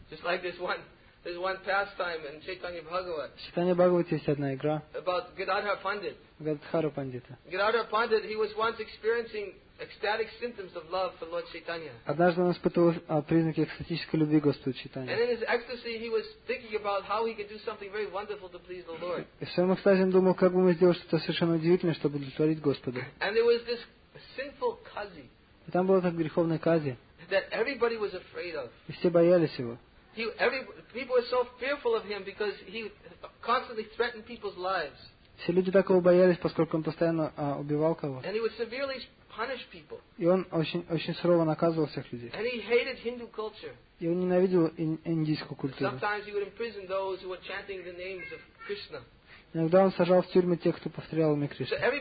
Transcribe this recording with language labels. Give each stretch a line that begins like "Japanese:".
English: Just like this one. There's one pastime in Chaitanya Bhagavat.
Russian: Chaitanya Bhagavat есть одна игра.
English: About Gadadhar Pandit.
Russian: Gadadhara Pandita.
English: Gadadhar Pandit, he was once experiencing ecstatic symptoms of love for Lord Chaitanya.
Russian: Однажды он испытывал признаки экстатической любви Господу Чайтанья.
English: And in his ecstasy, he was thinking about how he could do something very wonderful to please the Lord.
Russian: И в своем экстазе он думал, как бы мы сделали что-то совершенно удивительное, чтобы удовлетворить Господа.
English: And there was this sinful kazi.
Russian: И там была как греховная кази.
English: That everybody was afraid of.
Russian: И все боялись его.
English: People were so fearful of him because he constantly threatened people's lives.
Russian: Все люди так его боялись, поскольку он постоянно убивал кого.
English: And he would severely punish people.
Russian: И он очень сурово наказывал всех людей.
English: And he hated Hindu culture.
Russian: И он ненавидел индийскую культуру.
English: Sometimes he would imprison those who were chanting the names of Krishna.
Russian: Иногда он сажал в тюрьмы тех, кто повторял имя Кришна.